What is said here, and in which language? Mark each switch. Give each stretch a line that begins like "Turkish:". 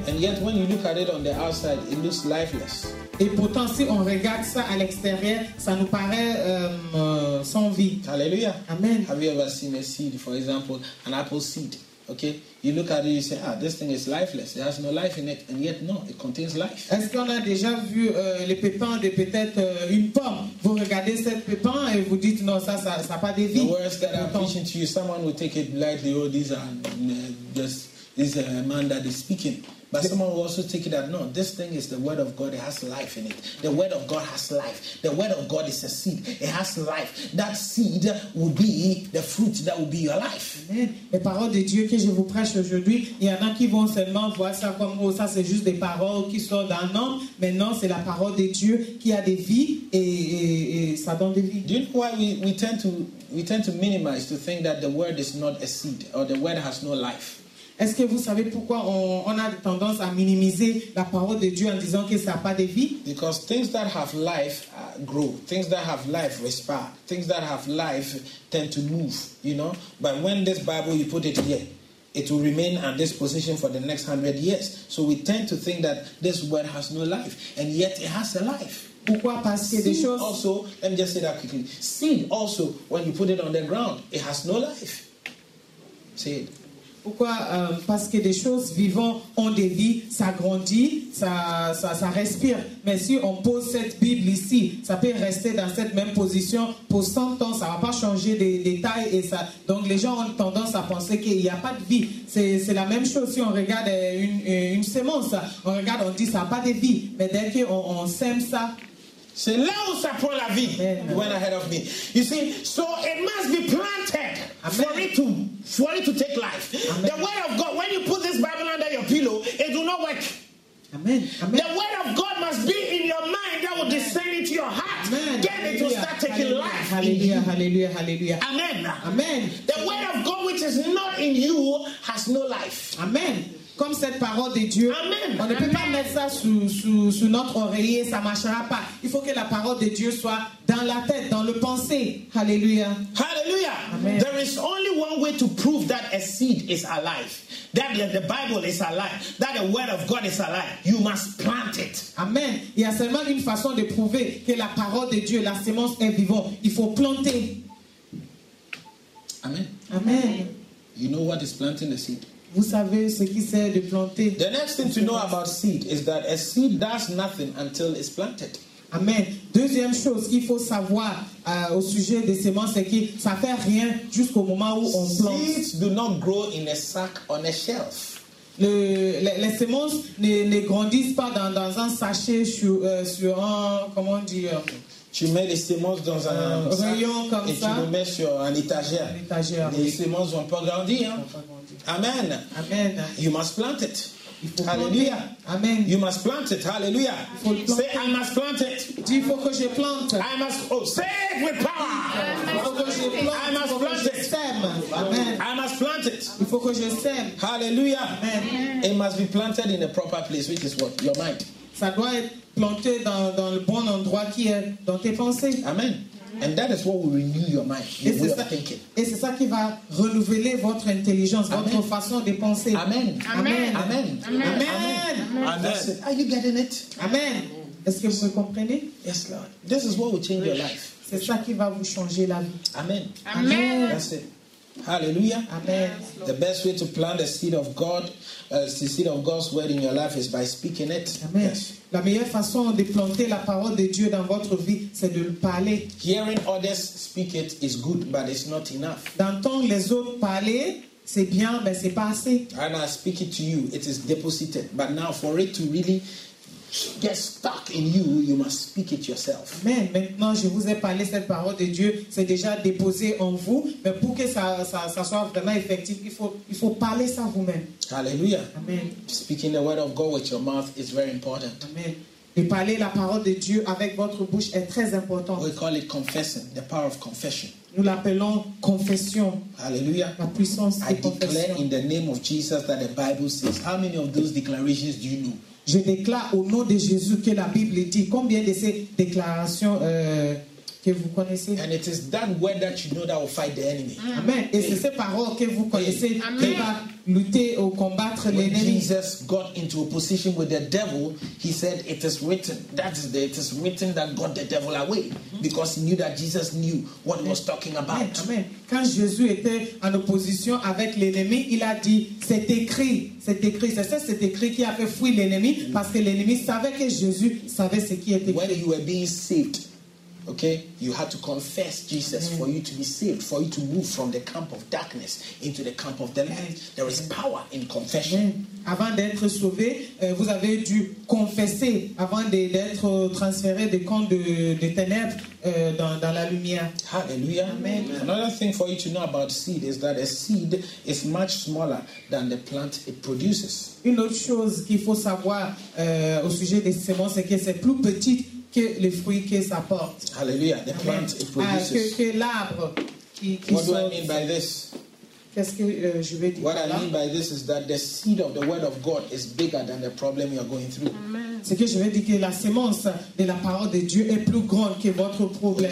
English: And yet when you look at it on the outside, it looks lifeless.
French: Et pourtant, si on regarde ça à l'extérieur, ça nous paraît sans vie. Hallelujah. Amen.
English: Have you ever seen a seed, for example, an apple seed? Okay, you look at it, you say, ah, this thing is lifeless. It has no life in it, and yet, no, it contains life.
French: Est-ce qu'on a déjà vu les pépins de peut-être une pomme? Vous regardez cette pépin et vous dites, non, ça n'a pas de vie.
English: The words that I'm preaching to you, someone will take it lightly. Oh, these are just this man that is speaking. But someone will also take it that, no, this thing is the word of God. It has life in it. The word of God has life. The word of God is a seed. It has life. That seed will be the fruit that will be your life. Amen.
French: Les paroles de Dieu que je vous prêche aujourd'hui, il y en a qui vont seulement voir ça comme, oh, ça c'est juste des paroles qui sortent d'un homme. Mais non, c'est la parole de Dieu qui a des vies et ça donne des vies.
English: Do you know why we tend to minimize to think that the word is not a seed or the word has no life?
French: Est-ce que vous savez pourquoi on a tendance à minimiser la parole de Dieu en disant que ça n'a pas de vie?
English: Because things that have life grow, things that have life respire, things that have life tend to move, you know. But when this Bible, you put it here, it will remain at this position for the next 100 years. So we tend to think that this word has no life, and yet it has a life.
French: Pourquoi? Parce que
English: seed
French: des choses.
English: Also, let me just say that quickly. Seed also, when you put it on the ground, it has no life. See it.
French: Pourquoi? Parce que des choses vivantes ont des vies, ça grandit, ça respire. Mais si on pose cette Bible ici, ça peut rester dans cette même position pour 100 ans, ça ne va pas changer de taille. Et ça, donc les gens ont tendance à penser qu'il n'y a pas de vie. C'est la même chose si on regarde une semence. On regarde, on dit ça n'a pas de vie. Mais dès qu'on sème ça, c'est là où ça prend la vie. Amen.
English: You went ahead of me. You see, so it must be planted. Amen. for it to take life. Amen. The word of God, when you put this Bible under your pillow, it will not work. Amen. Amen. The word of God must be in your mind. That will descend into your heart. Amen. Then hallelujah. It will start taking hallelujah. Life. Hallelujah, hallelujah, hallelujah. Amen. Amen. The word of God which is not in you has no life.
French: Amen. Comme cette parole de Dieu, amen, on ne peut amen. Pas mettre ça sous notre oreiller, ça ne marchera pas. Il faut que la parole de Dieu soit dans la tête, dans le pensée. Hallelujah. Hallelujah. Amen.
English: There is only one way to prove that a seed is alive, that the Bible is alive, that the word of God is alive. You must plant it. Amen.
French: Il y a seulement une façon de prouver que la parole de Dieu, la semence est vivante. Il faut planter. Amen. Amen.
English: You know what is planting a seed?
French: Vous savez ce qui sert de planter.
English: The next thing to know about seed is that a seed does nothing until it's planted. Amen.
French: Deuxième chose qu'il faut savoir au sujet des semences, c'est que ça fait rien jusqu'au moment où on plante.
English: Seeds do not grow in a sack on a shelf.
French: Les semences ne grandissent pas dans un sachet sur un, comment dire. Tu mets les semences dans un rayon comme et ça. Et tu le mets sur un étagère. Étagère. Les semences vont pas grandir. Hein. Amen. Amen.
English: You must plant it. Hallelujah. Amen. You must plant it. Hallelujah. Say, I must plant it.
French: Il faut que je plante.
English: I must. Oh, say it with power.
French: Il faut que je plante.
English: I must plant it. Amen. I must plant it.
French: Il faut que je sème. Hallelujah. Amen.
English: It must be planted in a proper place, which is what? Your mind.
French: Ça doit être planté dans le bon endroit qui est dans tes pensées. Amen.
English: And that is what will renew your mind, your way of thinking.
French: Et c'est ça qui va renouveler votre intelligence, amen. Votre façon de penser. Amen. Amen. Amen. Amen. Amen. Amen.
English: Amen. Are you getting it?
French: Amen. Est-ce que vous comprenez?
English: Yes, Lord. This is what will change your life.
French: C'est ça qui va vous changer la vie. Amen. Amen. Amen.
English: That's it. Hallelujah. Amen. The best way to plant the seed of God, the seed of God's word in your life is by speaking it. Amen. Yes.
French: La meilleure façon de planter la parole de Dieu dans votre vie, c'est de le parler.
English: Hearing others speak it is good, but it's not enough.
French: D'entendre les autres parler, c'est bien, mais c'est pas assez.
English: And I speak it to you, it is deposited. But now for it to really get stuck in you, you must speak it yourself. Amen.
French: Maintenant, je vous ai parlé cette parole de Dieu, c'est déjà déposé en vous, mais pour que ça soit vraiment effectif, il faut parler ça vous-même. Hallelujah. Amen.
English: Speaking the word of God with your mouth is very important. Amen.
French: De parler la parole de Dieu avec votre bouche est très important.
English: We call it confessing, the power of confession.
French: Nous l'appelons confession. Hallelujah. La puissance
English: I declare in the name of Jesus that the Bible says. How many of those declarations do you know?
French: Je déclare au nom de Jésus que la Bible dit. Combien de ces déclarations que vous connaissez?
English: And it is that word that you know that will fight the enemy. Amen.
French: Et c'est ces paroles que vous connaissez qui va lutter ou combattre l'ennemi.
English: When Jesus got into a position with the devil, he said, "It is written." That is, it is written that got the devil away because he knew that Jesus knew what he was talking about. Amen.
French: Quand Jésus était en opposition avec l'ennemi, il a dit, "C'est écrit." C'est écrit, c'est ça, c'est écrit qui a fait fuir l'ennemi parce que l'ennemi savait que Jésus savait ce qui était écrit.
English: When you were being saved, okay, you had to confess Jesus for you to be saved, for you to move from the camp of darkness into the camp of the light. There is power in confession.
French: Avant d'être sauvé, vous avez dû confesser avant d'être transféré des camps de ténèbres dans la lumière. Hallelujah. Amen.
English: Another thing for you to know about seed is that a seed is much smaller than the plant it produces.
French: Une autre chose qu'il faut savoir au sujet des semences, c'est que c'est plus petit que les fruits que ça porte.
English: Hallelujah. The plant it produces.
French: Que l'arbre qui
English: what do I mean by this?
French: Qu'est-ce que je veux dire?
English: What I mean by this is that the seed of the word of God is bigger than the problem you are going through. Amen.
French: C'est que je veux dire que la semence de la parole de Dieu est plus grande que votre problème.